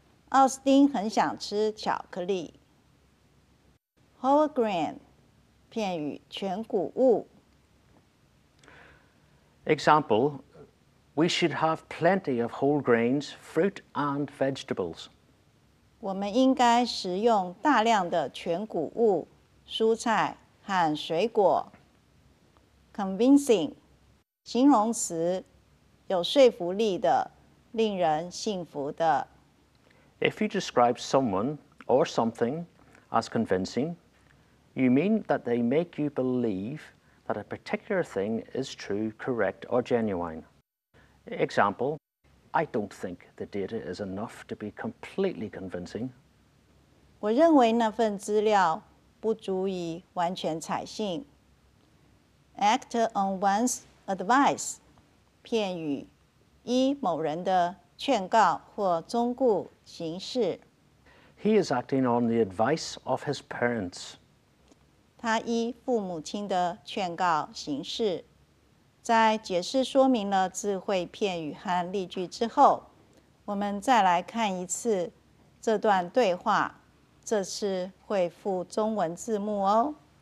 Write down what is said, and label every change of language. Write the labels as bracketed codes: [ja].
[zh] 奥斯汀很想吃巧克力。Whole grain, 片与全谷物。 [en] Example, we should have plenty of whole grains, fruit and vegetables. [zh] 我们应该食用大量的全谷物、蔬菜和水果。 Convincing, 形容词，有说服力的，令人信服的。 [en] If you describe someone or something as convincing, you mean that they make you believe that a particular thing is true, correct, or genuine. Example, I don't think the data is enough to be completely convincing. [zh] 我认为那份资料不足以完全采信。 [en] Act on one's advice, [zh] 片语，依某人的劝告或忠告行事。 [en] He is acting on the advice of his parents. [zh] 他依父母亲的劝告行事。在解释说明了智慧片语和例句之后，我们再来看一次这段对话，这次会附中文字幕哦。